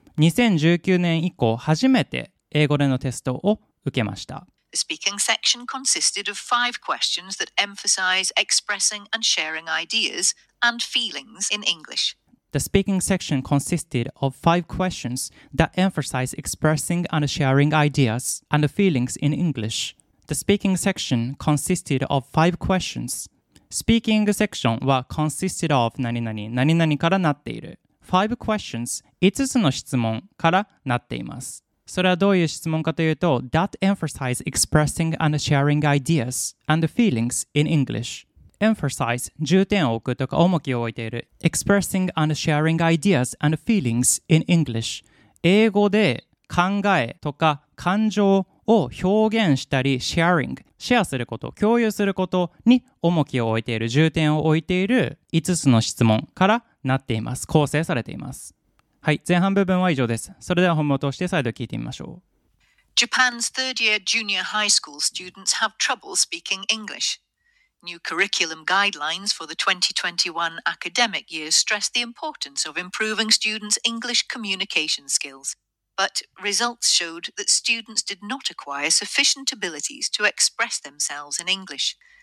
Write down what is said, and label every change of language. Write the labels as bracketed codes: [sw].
[ja] 2019年以降初めて英語でのテストを受けました。 [en] The speaking section consisted of five questions that emphasize expressing and sharing ideas and feelings in English. The speaking section consisted of five questions that emphasize expressing and sharing ideas and feelings in English. The speaking section consisted of five questions. Speaking section [ja] は [en] consisted of [ja] 何々、何々からなっている。 [en] Five questions、 [ja] 5つの質問からなっています。それはどういう質問かというと、 [en] That emphasize expressing and sharing ideas and feelings in English. [ja] Emphasize、重点を置くとか重きを置いている。 [en] Expressing and sharing ideas and feelings in English. [ja] 英語で考えとか感情を表現したり、sharing、シェアすること、共有することに重きを置いている、重点を置いている5つの質問からなっています。構成されています。はい、前半部分は以上です。それでは本文を通して再度聞いてみましょう。 [en] Japan's third year junior high school students have trouble speaking English. New curriculum guidelines for the 2021 academic year stress the importance of improving students' English communication skills. But results showed that students did not acquire sufficient abilities to express themselves in English.